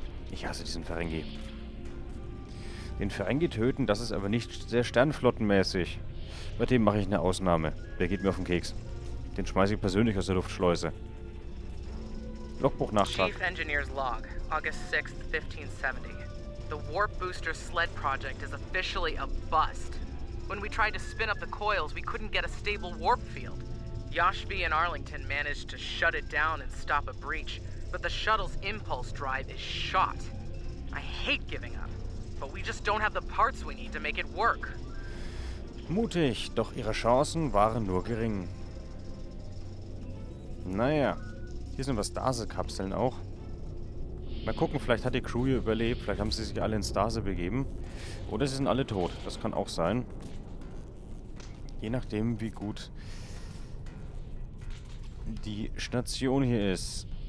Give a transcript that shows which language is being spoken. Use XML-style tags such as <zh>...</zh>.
<de>Ich hasse diesen Ferengi. Den Ferengi töten, das ist aber nicht sehr sternflottenmäßig. Bei dem mache ich eine Ausnahme. Der geht mir auf den Keks. Den schmeiße ich persönlich aus der Luftschleuse. Logbuchnachtrag.</de> <en>Chief Engineer's Log, August 6th, 1570. The Warp Booster Sled Project is officially a bust. When we tried to spin up the coils, we couldn't get a stable warp field. Yashvi and Arlington managed to shut it down and stop a breach, but the shuttle's impulse drive is shot. I hate giving up. But we just don't have the parts we need to make it work.</en> <de>Mutig, doch ihre Chancen waren nur gering. Naja, hier sind was Stase-Kapseln auch. Mal gucken, vielleicht hat die Crew hier überlebt, vielleicht haben sie sich alle in Stase begeben. Oder sie sind alle tot, das kann auch sein. Je nachdem, wie gut die Station hier ist.</de>